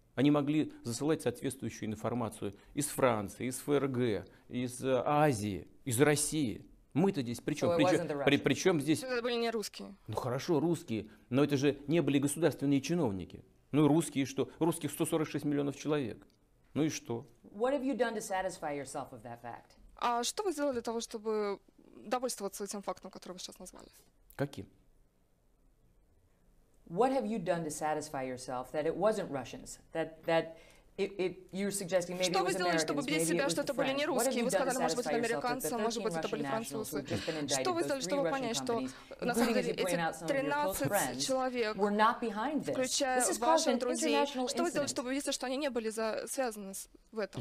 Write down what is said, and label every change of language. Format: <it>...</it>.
<ru>Они могли засылать соответствующую информацию из Франции, из ФРГ, из Азии, из России. Мы-то здесь при чем? При чем здесь? Это были не русские. Ну хорошо, русские, но это же не были государственные чиновники. Ну и русские что? Русских 146 миллионов человек. Ну и что?</ru> <en>What have you done to satisfy yourself of that fact?</en> <ru>А что вы сделали для того, чтобы довольствоваться этим фактом, который вы сейчас назвали? Каким?</ru> <en>What have you done to satisfy yourself that it wasn't Russians? That you're suggesting maybe it was Americans?</en> <ru>Что вы сделали, чтобы убедить себя, что это были не русские? Вы сказали, может быть, американцы, может быть, это были французы. Что вы сделали, чтобы понять, что на самом деле эти 13 человек, включая ваших друзей, что вы сделали, чтобы убедиться, что они не были связаны в этом?</ru>